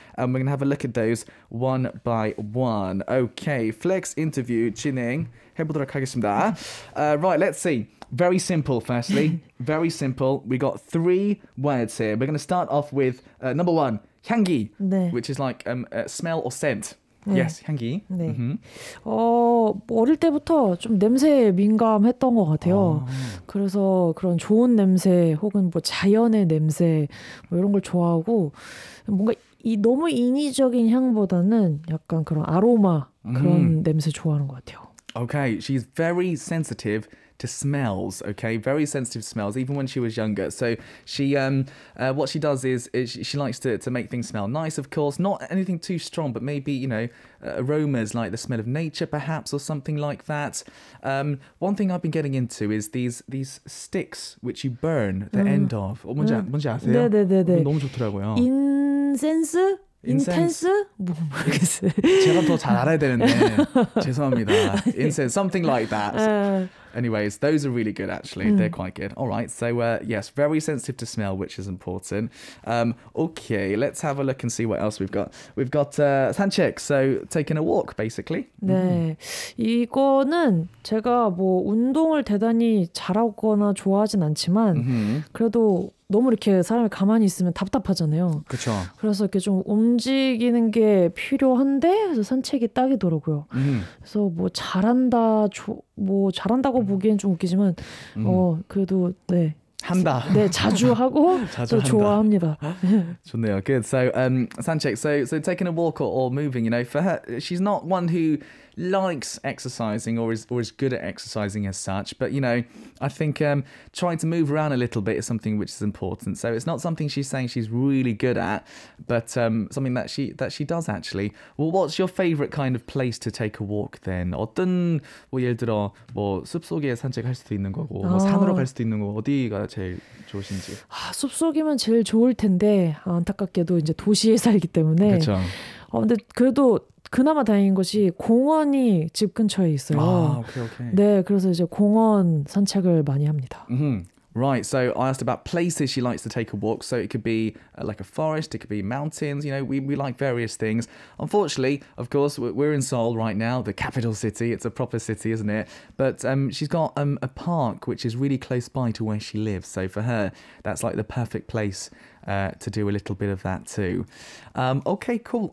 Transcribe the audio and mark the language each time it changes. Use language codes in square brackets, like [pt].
[en] And we're going to have a look at those one by one. Okay, flex interview, Jinning. [ko] 해보도록 하겠습니다. [en] Right, let's see. Very simple, firstly. Very simple. We got three words here. We're going to start off with number one, 향기, [ko] 네. [en] which is like smell or scent. 네. Yes, 향기. [ko] 네. Mm-hmm. 어릴 때부터 좀 냄새에 민감했던 것 같아요. [en] Oh. 그래서 그런 좋은 냄새 혹은 뭐 자연의 냄새 뭐 이런 걸 좋아하고 뭔가 이 너무 인위적인 향보다는 약간 그런 아로마 그런 mm. 냄새 좋아하는 것 같아요. Okay, she's very sensitive to smells, okay? Very sensitive smells, even when she was younger. So she, what she does is she likes to make things smell nice, of course. Not anything too strong, but maybe, you know, aromas like the smell of nature, perhaps, or something like that. One thing I've been getting into is these sticks which you burn the end of. [ko] 뭔지 아세요? 네. 너무 좋더라고요. [en] Incense? Intense? [ko] 제가 더 잘 알아야 되는데 죄송합니다. [en] Incense, something like that. Anyways, those are really good, actually. They're quite good. All right, so yes, very sensitive to smell, which is important. Okay, let's have a look and see what else we've got. We've got 산책, so taking a walk, basically. [ko] 네, mm-hmm. 이거는 제가 뭐 운동을 대단히 잘하거나 좋아하진 않지만 mm-hmm. 그래도 너무 이렇게 사람이 가만히 있으면 답답하잖아요. 그렇죠. 그래서 이렇게 좀 움직이는 게 필요한데 그래서 산책이 딱이더라고요. 그래서 뭐 잘한다, 뭐 잘한다고 보기엔 좀 웃기지만 그래도 네. 한다. 네, 자주 하고 자주 좋아합니다. 좋네요. [en] Good. So, 산책. So taking a walk or moving, you know, for her, she's not one who likes exercising or is good at exercising as such. But, you know, I think trying to move around a little bit is something which is important. So it's not something she's saying she's really good at, but something that she does actually. Well, what's your favorite kind of place to take a walk then? [ko] 어떤 뭐 예를 들어 뭐 숲속에 산책할 수도 있는 거고 뭐 산으로 갈 수도 있는 거 어디가 제일 좋으신지? 아, 숲속이면 제일 좋을 텐데 안타깝게도 이제 도시에 살기 때문에. 그렇죠. 근데 그래도 그나마 다행인 것이 공원이 집 근처에 있어요. 아, 오케이, 오케이. 네, 그래서 이제 공원 산책을 많이 합니다. [en] Mm-hmm. Right, so I asked about places she likes to take a walk. So it could be like a forest, it could be mountains. You know, we like various things. Unfortunately, of course, we're in Seoul right now, the capital city. It's a proper city, isn't it? But she's got a park which is really close by to where she lives. So for her, that's like the perfect place to do a little bit of that too. Okay, cool.